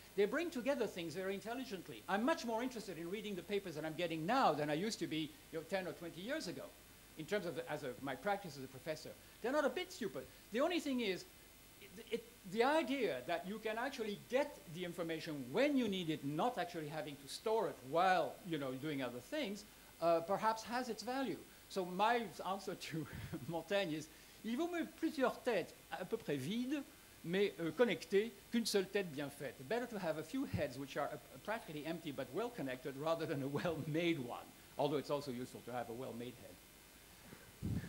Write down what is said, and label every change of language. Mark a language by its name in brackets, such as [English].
[English] They bring together things very intelligently. I'm much more interested in reading the papers that I'm getting now than I used to be, you know, 10 or 20 years ago, in terms of my practice as a professor. They're not a bit stupid. The only thing is, the idea that you can actually get the information when you need it, not actually having to store it while, you know, doing other things, perhaps has its value. So my answer to Montaigne is, [French] il vaut mieux plusieurs têtes à peu près vides, mais connectées, qu'une seule tête bien faite. [English] Better to have a few heads which are practically empty but well connected rather than a well-made one, although it's also useful to have a well-made head.